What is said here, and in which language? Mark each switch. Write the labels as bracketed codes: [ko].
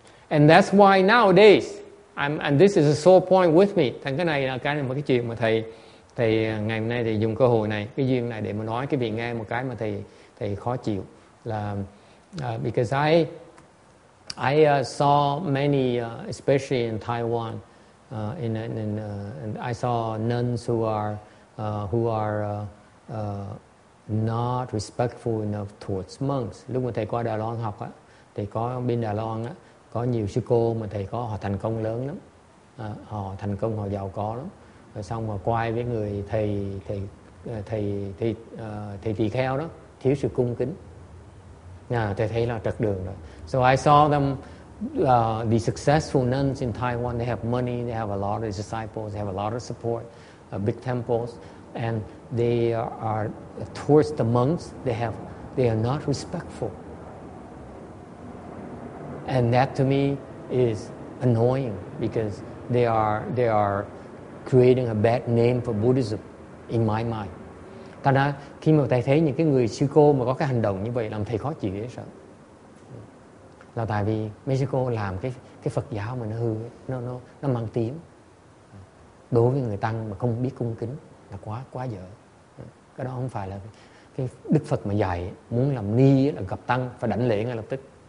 [en] And that's why nowadays, and this is a sore point with me. [vi] Thành cái này là cái một cái chuyện mà thầy ngày hôm nay thì dùng cơ hội này, cái duyên này để mà nói cái vị nghe một cái mà thầy khó chịu là [en] because I saw many especially in Taiwan I saw nuns who are not respectful enough towards monks. [vi] Lúc mà thầy qua Đài Loan học á, thầy có bên Đài Loan á có nhiều sư cô mà thầy có họ thành công lớn lắm, họ thành công, họ giàu có lắm. Rồi xong mà quay với người thầy tỳ kheo đó thiếu sự cung kính. Thầy thấy là trật đường rồi. [en] So I saw them, the successful nuns in Taiwan, they have money, they have a lot of disciples, they have a lot of support, big temples, and they are towards the monks, they are not respectful. And that to me is annoying because they are creating a bad name for Buddhism in my mind. [vi] Thật ra khi mà thầy thấy những cái người sư cô mà có cái hành động như vậy làm thầy khó chịu dễ sợ. Là tại vì mấy sư cô làm cái Phật giáo mà nó hư, nó mang tiếng. Đối với người tăng mà không biết cung kính là quá quá dở. Cái đó không phải là cái Đức Phật mà dạy, muốn làm ni là gặp tăng phải đảnh lễ ngay lập tức.